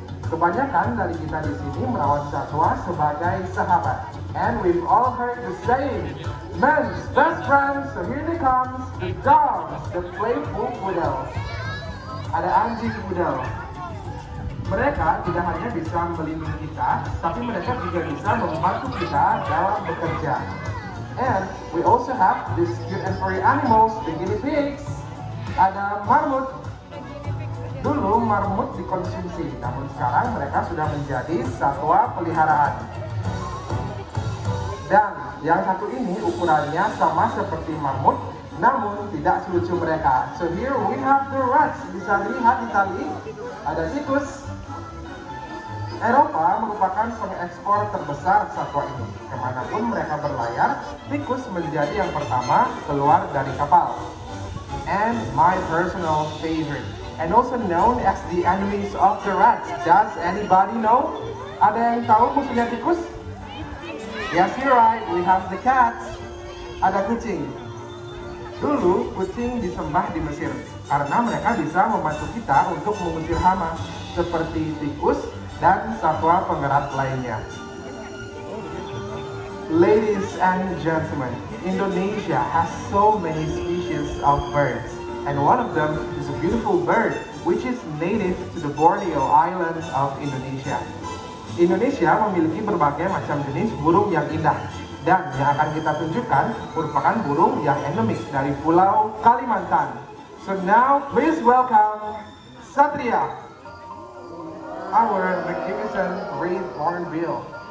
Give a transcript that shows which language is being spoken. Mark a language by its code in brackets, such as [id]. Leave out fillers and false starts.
[id] Kebanyakan dari kita di sini merawat satwa sebagai sahabat. [en] And we've all heard the saying, men's best friends, so here they come, the dogs, the playful poodles. [id] Ada anjing poodle. Mereka tidak hanya bisa melindungi kita, tapi mereka juga bisa membantu kita dalam bekerja. [en] And we also have these cute and furry animals, the guinea pigs. [id] Ada marmut. Dulu marmut dikonsumsi, namun sekarang mereka sudah menjadi satwa peliharaan. Dan yang satu ini ukurannya sama seperti marmut, namun tidak selucu mereka. [en] So here we have the rats. [id] Bisa dilihat di tali, ada tikus. Eropa merupakan pengekspor terbesar satwa ini. Kemanapun mereka berlayar, tikus menjadi yang pertama keluar dari kapal. [en] And my personal favorite, and also known as the enemies of the rats. Does anybody know? [id] Ada yang tahu musuhnya tikus? [en] Yes, you're right. We have the cats. [id] Ada kucing. Dulu, kucing disembah di Mesir karena mereka bisa membantu kita untuk mengusir hama seperti tikus dan satwa pengerat lainnya. [en] Ladies and gentlemen, Indonesia has so many species of birds. And one of them is a beautiful bird which is native to the Borneo Islands of Indonesia. [id] Indonesia memiliki berbagai macam jenis burung yang indah. Dan yang akan kita tunjukkan merupakan burung yang endemik dari Pulau Kalimantan. [en] So now, please welcome Satria, our magnificent red hornbill.